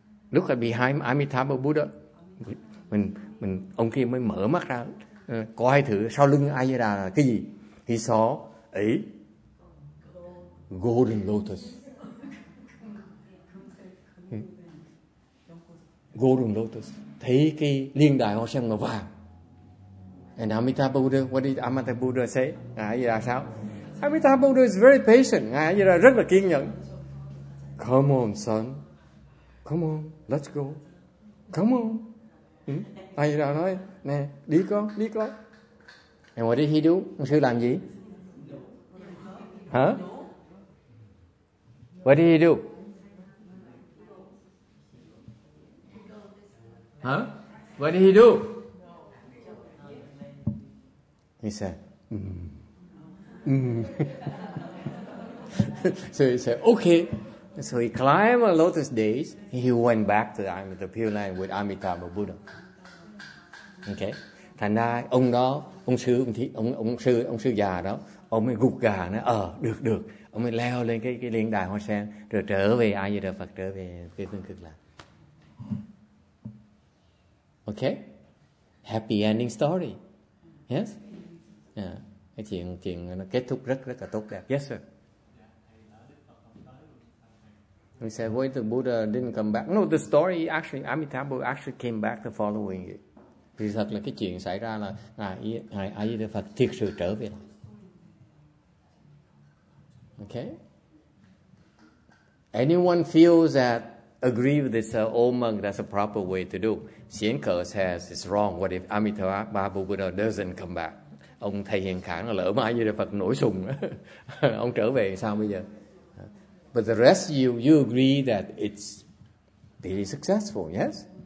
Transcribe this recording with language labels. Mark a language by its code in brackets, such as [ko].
[en] Look at behind Amitabha Buddha. [vi] Mình ông kia mới mở mắt ra. Có hai thứ sau lưng A Di Đà là cái gì? [en] He saw a golden lotus. [vi] Golden lotus. Thấy cái liên đài hoa sen màu vàng. [en] And Amitabha Buddha, what did Amitabha Buddha say? [vi] Ngài Di Đà sao? [en] Amitabha Buddha is very patient. [vi] Ngài Di Đà rất là kiên nhẫn. [en] Come on, son. Come on, let's go. Come on. [vi] A Di Đà nói, nè, đi con, đi con. [en] And what did he do? [vi] Ông sư làm gì? Hả? [en] Huh? What did he do? Huh? What did he do? He said, So he said, okay. So he climbed a lotus days. He went back to the Pure Land with Amitabha Buddha. Okay. [vi] Thành ra ông đó, ông sư già đó, ông mới gục gà nói, được được. Ông mới leo lên cái liên đài hoa sen rồi trở về A Di Đà Phật, trở về Tây Phương Cực Lạc. [en] Okay, happy ending story. Yes. Yeah. [vi] Cái chuyện nó kết thúc rất là tốt đẹp. [en] Yes, sir. He said, "Wait, the Buddha didn't come back." No, the story actually, Amitabha actually came back the following year. [vi] Thì thật là cái chuyện xảy ra là ngài A Di Đà Phật thiệt sự trở về. [en] Okay. Anyone feels that agree with this old monk? That's a proper way to do. Xianke says it's wrong. What if Amitabha Buddha doesn't come back? [vi] Ông thầy hiện khả là lỡ mà A Di Đà Phật nổi sùng, ông trở về sao bây giờ? [en] But the rest of you agree that it's very successful, yes?